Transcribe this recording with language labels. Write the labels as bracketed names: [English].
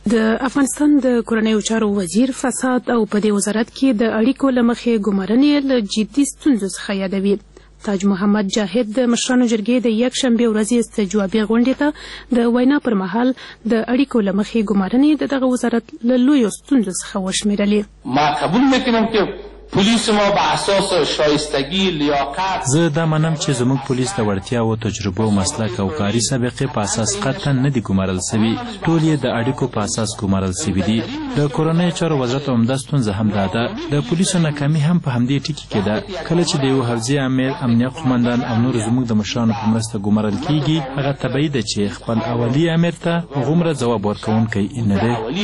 [Pashto] د افغانستان د کورنیو چارو وزیر فساد او په دې وزارت کې د اړیکو له مخې ګمارنې له جدي ستونزو څخه یادوي. تاج محمد جاهد د مشرانو جرګې د یک شنبه ورځې استجوابي غونډې ته د وینا پر مهال د اړیکو له مخې ګمارنې د دغه وزارت له لویو ستونزو څخه وشمیرلې. [Persian] ما قبول میکنم که پولیس ما با اساس شایستگی لیاقت [Pashto] زه دا منم چې زموږ پولیس د وړتیا او تجربه او مسلک او کاري سابقې په اساس قطعا نه دي ګمارل سوي. ټول یې د اړیکو په اساس ګمارل سوي دي. د کورنۍ چارو وزارت هم دا ستونزه هم داده. د پولیسو ناکامي هم په همدې ټکي کې ده. کله چې د یو حوزې عامل، امنیت قمندان او نور زموږ د مشرانو په مرسته ګمارل کیږي، هغه طبیعي ده چې خپل اولي امیر ته هغومره ځواب ورکوونکی نه دی.